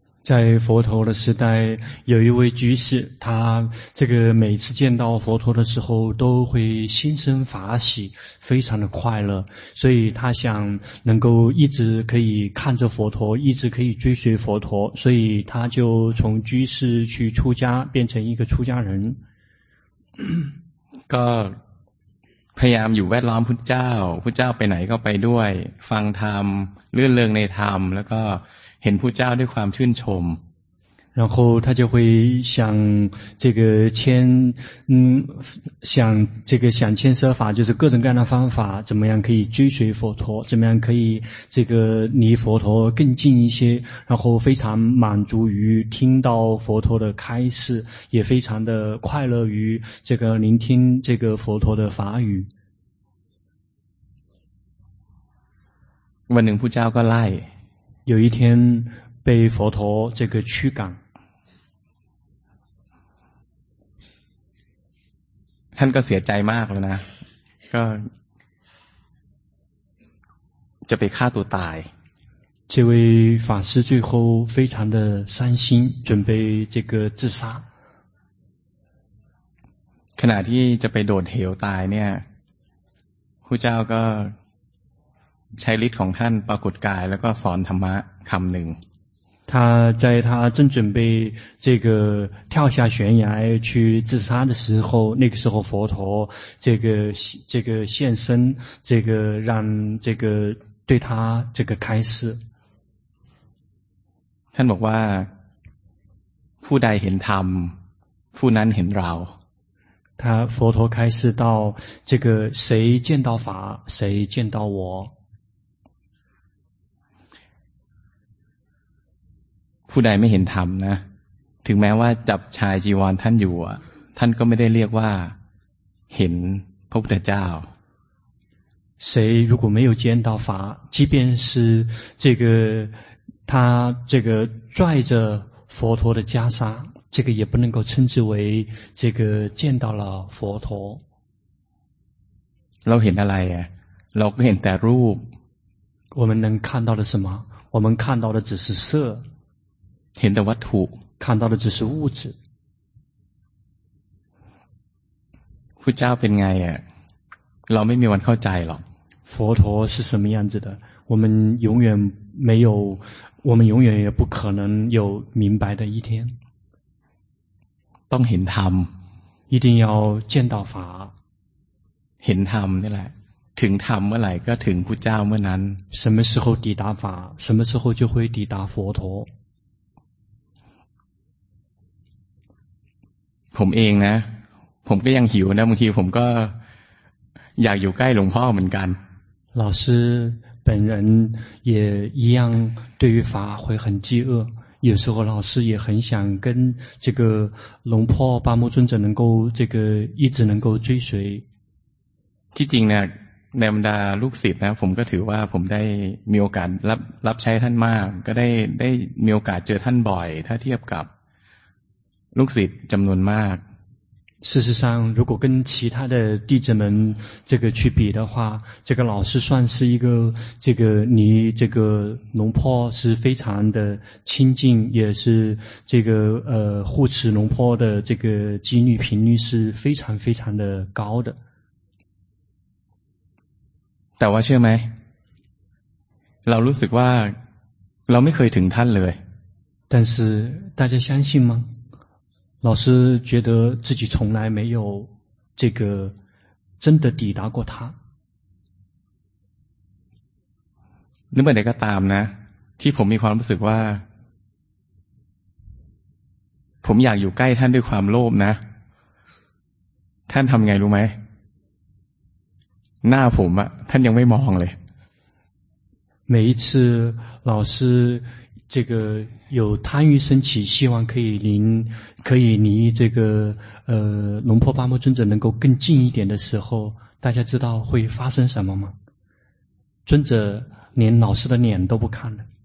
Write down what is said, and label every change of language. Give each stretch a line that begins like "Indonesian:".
Chinese: 在佛陀的时代有一位居士他这个每次见到佛陀的时候都会心生法喜非常的快乐所以他想能够一直可以看着佛陀一直可以追随佛陀所以他就从居士去出家变成一个出家人
Thai: ก็พยายามอยู่แวดล้อมพุทธเจ้าพุทธเจ้าไปไหนก็ไปด้วยฟังธรรมเลื่อนเลิงในธรรมแล้วก็เห็นพุทธเจ้าด้วยความชื่นชม
Chinese: 然后他就会想这个牵想这个想牵设法就是各种各样的方法怎么样可以追随佛陀怎么样可以这个离佛陀更近一些然后非常满足于听到佛陀的开示也非常的快乐于这个聆听这个佛陀的法语
Thai: วันหนึ่งพุทธเจ้าก็ไล่
Chinese: 有一天被佛陀这个驱赶
Thai: ท่านก็เสียใจมากแล้วนะก็จะไปฆ่าตัวตาย
Chinese: 这位法师最后非常的伤心准备这个自杀
Thai: ขณะที่จะไปโดดเหวตายเนี่ยพระเจ้าก็ใช้ฤทธิ์ของท่านปรากฏกายแล้วก็สอนธรรมะคำหนึ่ง
Chinese: 他在他正准备这个跳下悬崖去自杀的时候，那个时候佛陀这个现身，这个让这个对他这个开示。他说：“哇，
Thai: ผู้ใดเห็นธรรม，ผู้นั้นเห็นเรา。”
Chinese: 他佛陀开示到这个谁见到法谁见到我，
Thai: ผู้ใดไม่เห็นธรรมนะถึงแม้ว่าจับชายจีวรท่านอยู่ท่านก็ไม่ได้เรียกว่าเห็นพระพุทธเจ้า
Chinese: 谁如果没有见到法，即便是这个他这个拽着佛陀的袈裟，这个也不能够称之为这个见到了佛陀。
Thai: เราเห็นอะไรอ่ะ เราก็เห็นแต่รูป
Chinese: 我们能看到的什么？我们看到的只是色。
Thai: เห็นแต่วัตถุ
Chinese: 看到的只是物质。
Thai: พุทธเจ้าเป็นไงอ่ะเราไม่มีวันเข้าใจหรอก
Chinese: 佛陀是什么样子的我们永远没有我们永远也不可能有明白的一天
Thai: ต้องเห็นธรรม
Chinese: 一定要见到法
Thai: เห็นธรรมนี่แหละถึงธรรมเมื่อไหร่ก็ถึงพุทธเจ้าเมื่อนั้น
Chinese: 什么时候抵达法什么时候就会抵达佛陀
Thai: ผมเองนะผมก็ยังหิวนะบางทีผมก็อยากอยู่ใกล้หลวงพ่อเหมือนกัน
Chinese: 老师本人也一样对于法会很饥饿有时候老师也很想跟这个龙婆巴木尊者能够这个一直能够追随
Thai: ที่จริงเนี่ยในบรรดาลูกศิษย์นะผมก็ถือว่าผมได้มีโอกาสรับใช้ท่านมากก็ได้มีโอกาสเจอท่านบ่อยถ้าเทียบกับลูกศิษย์จำนวนมาก
Chinese: 事实上如果跟其他的弟子们这个去比的话这个老师算是一个这个离这个龙婆是非常的亲近也是这个护持龙婆的这个机率频率是非常非常的高的
Thai: แต่ว่าเชื่อไหมเรารู้สึกว่าเราไม่เคยถึงท่านเลย
Chinese: 但是大家相信吗老师觉得自己从来没有这个真的抵达过他。
Thai: หรือไม่ได้ก็ตามนะที่ผมมีความรู้สึกว่าผมอยากอยู่ใกล้ท่านด้วยความโลภนะท่านทำไงรู้ไหมหน้าผมอะท่านยังไม่มองเลย
Chinese: 每一次老师这个有贪欲升起希望可以离这个龙婆巴木尊者能够更近一点的时候大家知道会发生什么吗尊者连老师的脸都不看了